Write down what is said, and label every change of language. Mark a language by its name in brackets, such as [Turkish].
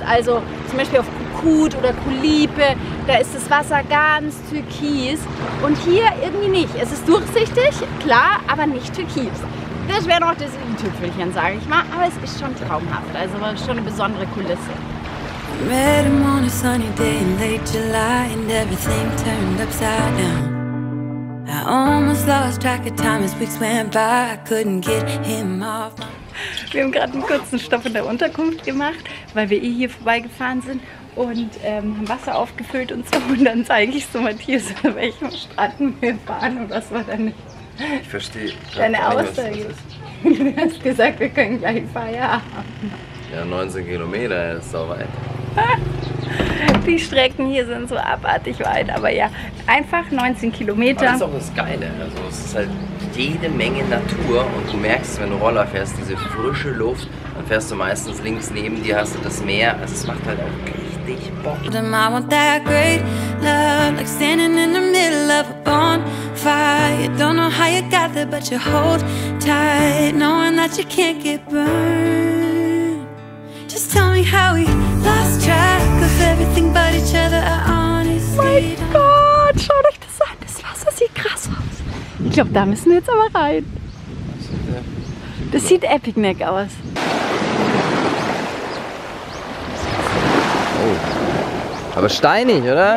[German] Also zum Beispiel auf Kukut oder Kulipe, da ist das Wasser ganz türkis. Und hier irgendwie nicht. Es ist durchsichtig, klar, aber nicht türkis. Das wäre noch das i-Tüpfelchen, sage ich mal. Aber es ist schon traumhaft, also schon eine besondere Kulisse. [English] Red him on a sunny day in late July and everything turned upside down. I almost lost track of time as weeks went by, I couldn't get him off. [German] Wir haben gerade einen kurzen Stopp in der Unterkunft gemacht, weil wir hier vorbeigefahren sind und haben Wasser aufgefüllt und so. Und dann zeige ich so Matthias, an welchem Strand wir fahren und was war da nicht. Ich verstehe. Deine Aussage. Du hast gesagt, wir können gleich Feierabend. Ja, 19 Kilometer ist so weit. Die Strecken hier sind so abartig weit, aber ja, einfach 19 Kilometer. Das ist auch das Geile. Also es ist halt jede Menge Natur und du merkst, wenn du Roller fährst, diese frische Luft, dann fährst du meistens links neben dir, hast du das Meer. Also es macht halt auch richtig Bock. [English] I want that great love, like standing in the middle of a bonfire. Don't know how you got there, but you hold tight, knowing that you can't get burned. Just tell me how we lost track of everything but each other. [German] Mein Gott, schaut euch das an, das Wasser sieht krass aus. Ich glaube, da müssen wir jetzt aber rein. Das sieht epic neck aus. Oh. Aber steinig, oder?